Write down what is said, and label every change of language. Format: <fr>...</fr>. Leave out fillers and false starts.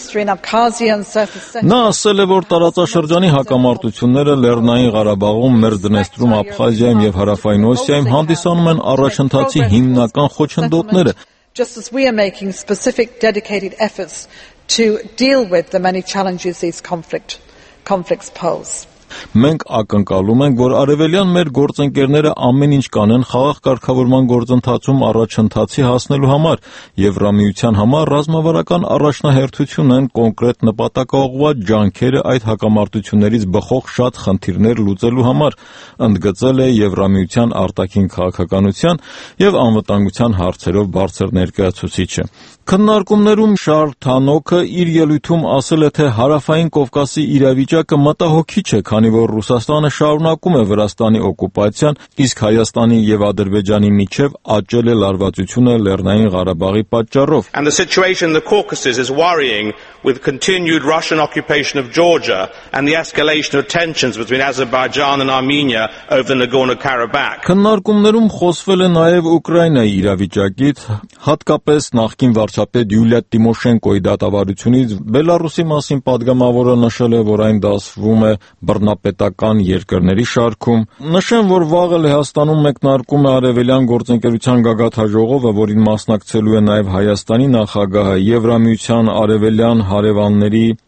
<hy>Նա ասել է, որ տարածաշրջանի հակամարտությունները Լեռնային Ղարաբաղում, Մերձդնեստրում, Աբխազիայում և Հարավային Օսիայում հանդիսանում են առաջընթացի հիմնական խոչընդոտները։</hy> <en>Just as we are making specific dedicated efforts to deal with the many challenges these conflicts pose.</en> <hy>Մենք ակնկալում ենք, որ արևելյան մեր գործընկերները ամեն ինչ կանեն խաղաղ կարգավորման գործընթացում առաջընթացի հասնելու համար, Եվրամիության համար ռազմավարական առաջնահերթություն են կոնկրետ նպատակաուղված ջանքերը այդ հակամարտություններից բխող շատ խնդիրներ լուծելու համար, ընդգծել է Եվրամիության արտաքին քաղաքականության և անվտանգության հարցերով բարձր ներկայացուցիչը։ Քննարկումներում Շարլ Թանոքը իր ելույթում ասել է, թե Հարավային Կովկասի իրավիճակը մտահոգիչ է, քանի որ Ռուսաստանը շարունակում է Վրաստանի օկուպացիան, իսկ Հայաստանի և Ադրբեջանի միջև աճել է լարվածությունը Լեռնային Ղարաբաղի պատճառով.</hy> <en>And the situation in the Caucasus is worrying with continued Russian occupation of Georgia and the escalation of tensions between Azerbaijan and Armenia over Nagorno-Karabakh.</en> <hy>Քննարկումներում խոսվել է նաև Ուկրաինայի իրավիճակից, հատկապես նախկին վարչապետ Յուլիա Տիմոշենկոյի դատավարությունից Բելարուսի մասին պատգամավորը նշել է, որ այն դասվում է բռնապետական երկրների շարքում։ Նշեմ, որ վաղը Լեհաստանում մեկնարկում է արևելյան գործընկերության գագաթաժողովը, որին մասնակցելու է նաև Հայաստանի նախագահը, Եվրամիության արևելյան հարևանների</hy>